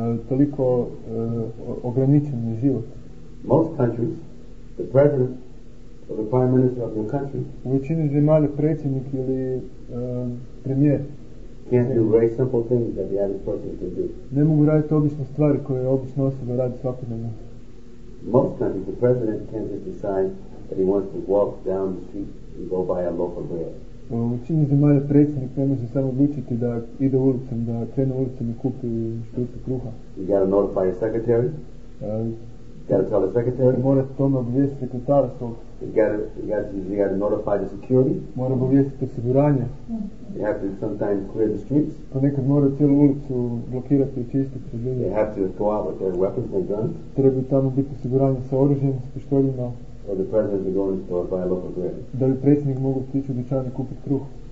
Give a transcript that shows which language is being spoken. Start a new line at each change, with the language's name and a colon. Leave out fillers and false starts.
Croatian: Toliko ograničen život.
English: Most countries, the president or the prime minister of your country.
Croatian: U većini zemalja predsjednik ili premijer.
English: Can't do very simple things that the average person can do.
Croatian: Ne mogu raditi obične stvari koje obična osoba radi svakodnevno.
English: Most countries, the president can't just decide that he wants to walk down the street and go buy a loaf of bread.
Croatian: U većini zemalja predsjednik ne može samo odlučiti da ide ulicom, da krene ulicom i kupi štrucu kruha.
English: You gotta notify your secretary. Gotta tell the secretary.
Croatian: Mora tome obvijesti sekretara svog.
English: You gotta notify the security.
Croatian: Mora obvijestiti osiguranje.
English: You have to sometimes clear the streets.
Croatian: Ponekad mora cijelu ulicu blokirati i čistiti pred ljudima.
English: You have to go out with their weapons and guns.
Croatian: Treba tamo biti osiguranje sa oružjem, s pištoljima.
English: Or the president would go in the store buy a loaf of bread.
Croatian: Da li predsjednik mogu otići u dućan i kupiti kruh.